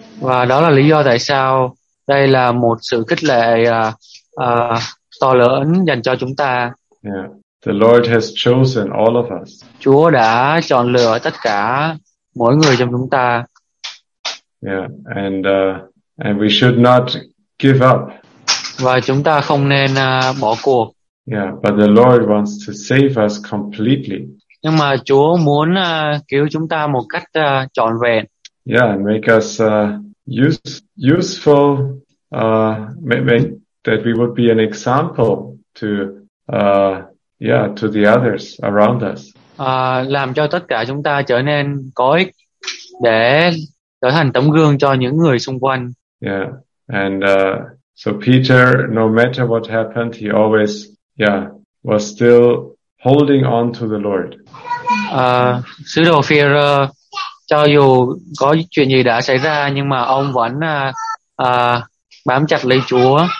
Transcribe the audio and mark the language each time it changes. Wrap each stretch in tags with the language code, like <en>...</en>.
<vi>Và đó là lý do tại sao đây là một sự khích lệ to lớn dành cho chúng ta.</vi> <en>Yeah. The Lord has chosen all of us.</en> <vi>Chúa đã chọn lựa tất cả mỗi người trong chúng ta.</vi> <en>Yeah. And we should not give up.</en> <vi>Và chúng ta không nên bỏ cuộc.</vi> <en>Yeah, but the Lord wants to save us completely.</en> <vi>Nhưng mà Chúa muốn cứu chúng ta một cách trọn vẹn.</vi> <en>Yeah, make us useful, make that we would be an example to, to the others around us.</en> <vi>Làm cho tất cả chúng ta trở nên có ích để trở thành tấm gương cho những người xung quanh.</vi> <en>Yeah, and so Peter, no matter what happened, he always, was still holding on to the Lord.</en> <vi>Sứ đồ Phi-rơ, cho dù có chuyện gì đã xảy ra, nhưng mà ông vẫn bám chặt lấy Chúa.</vi>